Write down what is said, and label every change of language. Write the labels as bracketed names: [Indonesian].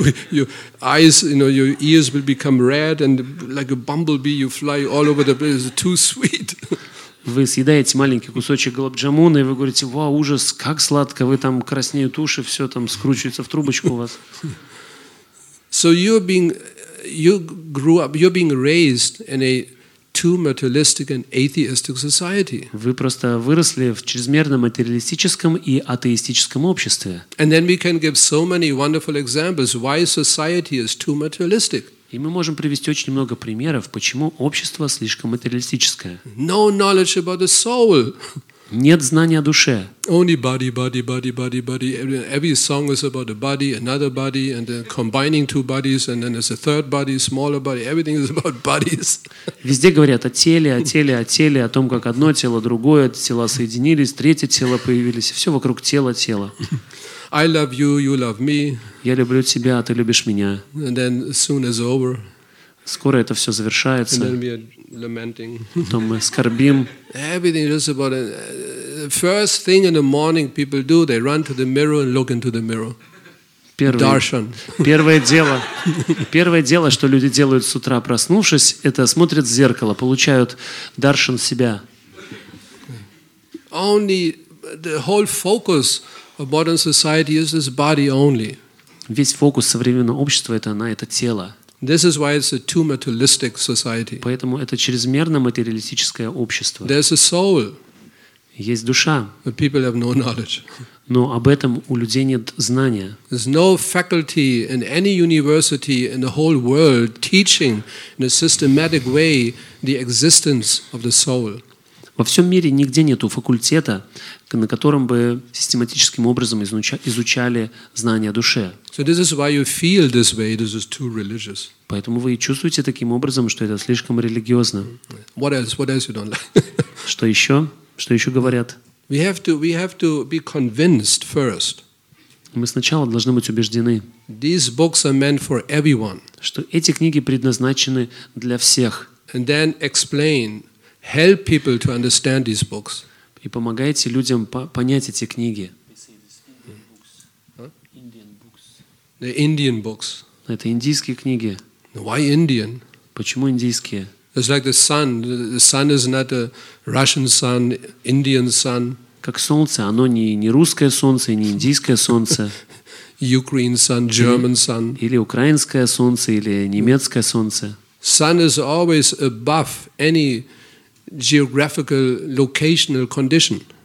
[English] Your eyes, you know, your ears will become red and like a bumblebee you fly all over the place. Too sweet. [Russian] Вы съедаете маленький кусочек гулаб-джамуна, и вы говорите, вау, ужас, как сладко, вы там краснеют уши, все там скручивается в трубочку у вас. [English] So you're being raised in a too materialistic and atheistic society. [Russian] Вы просто выросли в чрезмерно материалистическом и атеистическом обществе. [English] And then we can give so many wonderful examples why society is too materialistic. [Russian] И мы можем привести очень много примеров, почему общество слишком материалистическое. [English] No knowledge about the soul. [Russian] Нет знания о душе. [English] Only body, body, body, body, body. Every song is about a body, another body, and then combining two bodies, and then there's a third body, smaller body. Everything is about bodies. [Russian] Везде говорят о теле, о теле, о теле, о том, как одно тело, другое тело соединились, третье тело появились, все вокруг тела, тела. [English] I love you, you love me. [Russian] Я люблю тебя, а ты любишь меня. [English] And then soon is over. [Russian] Скоро это все завершается. [English] And then we are lamenting. [Russian] Потом мы скорбим. [English] Everything is about the first thing in the morning people do, they run to the mirror and look into the mirror. [Russian] Первое дело, что люди делают с утра, проснувшись, это смотрят в зеркало, получают даршан себя. [English] Only the whole focus of modern society is this body only. [Russian] Весь фокус современного общества это на это тело. [English] This is why it's a too materialistic society. [Russian] Поэтому это чрезмерно материалистическое общество. [English] There's a soul. [Russian] Есть душа. [English] But people have no knowledge. [Russian] Но об этом у людей нет знания. [English] There's no faculty in any university in the whole world teaching in a systematic way the existence of the soul. [Russian] Во всем мире нигде нету факультета, на котором бы систематическим образом изучали знания о душе. [English] So this is why you feel this way. This is too religious. [Russian] Поэтому вы чувствуете таким образом, что это слишком религиозно. [English] What else? What else you don't like? [Russian] Что еще? Что еще говорят? [English] We have to be convinced first. [Russian] Мы сначала должны быть убеждены, [English] these books are meant for everyone. [Russian] Что эти книги предназначены для всех. [English] And then explain, help people to understand these books. [Russian] И помогайте людям понять эти книги. [English] The Indian books. [Russian] Это индийские книги. [English] Why Indian? [Russian] Почему индийские? [English] It's like the sun. The sun is not a Russian sun, Indian sun. [Russian] Как солнце, оно не русское солнце, не индийское солнце. [English] Ukraine sun, German sun. [Russian] Или украинское солнце, или немецкое солнце. [English] Sun is always above any geographical locational condition.